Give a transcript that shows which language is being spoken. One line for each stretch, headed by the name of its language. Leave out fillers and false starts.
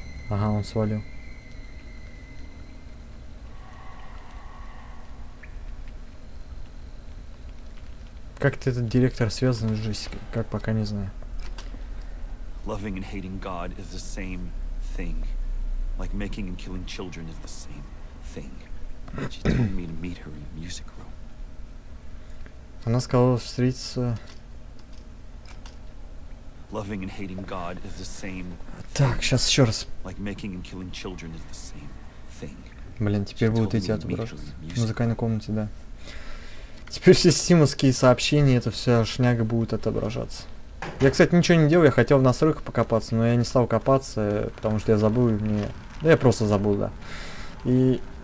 Russian: Ага, он свалил. Как ты этот директор связан с Джессикой? Как, пока не знаю.
English: Loving and hating God is the same thing. Like making and killing children is the same thing. She told me to meet her in the music room.
Russian: Она сказала встретиться.
English: Loving and hating God is the same.
Russian: Так, сейчас еще раз.
English: Like making and killing children is the same thing.
Russian: Блин, теперь будут эти отображения. Музыкальной комнате, да. Теперь все стимовские сообщения, это вся шняга будет отображаться. Я, кстати, ничего не делал, я хотел в настройках покопаться, но я не стал копаться, потому что я забыл, мне... Да я просто забыл, да. И...